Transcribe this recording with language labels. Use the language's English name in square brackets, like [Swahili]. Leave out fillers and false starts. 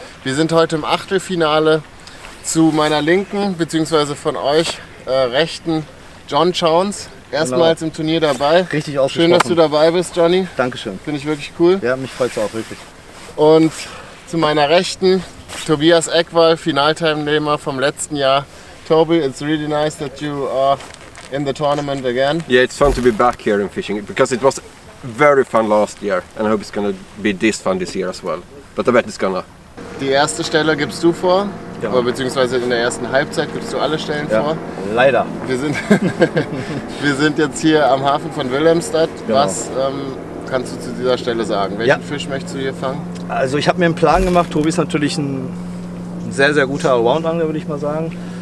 [German] Wir sind heute im Achtelfinale. Zu meiner Linken, beziehungsweise von euch Rechten, John Chowns. Erstmals im Turnier dabei. Richtig ausgesprochen. Schön, dass du dabei bist, Johnny. Dankeschön. Finde ich wirklich cool. Ja, mich freut es auch wirklich. Und zu meiner Rechten, Tobias Eckwall, Finalteilnehmer vom letzten Jahr. [English] Toby, it's really nice that you are in the tournament again. Yeah, it's fun to be back here in fishing, because it was very fun last year. And I hope it's gonna be this fun this year as well. But I bet it's gonna. [German] Die erste Stelle gibst du vor. Ja. Aber beziehungsweise in der ersten Halbzeit gibst du alle Stellen ja, vor. Leider. Wir sind jetzt hier am Hafen von Wilhelmstad. Genau. Was kannst du zu dieser Stelle sagen? Welchen Fisch möchtest du hier fangen? Also ich habe mir einen Plan gemacht. Tobi ist natürlich ein sehr, sehr guter Allround-Angler, würde ich mal sagen.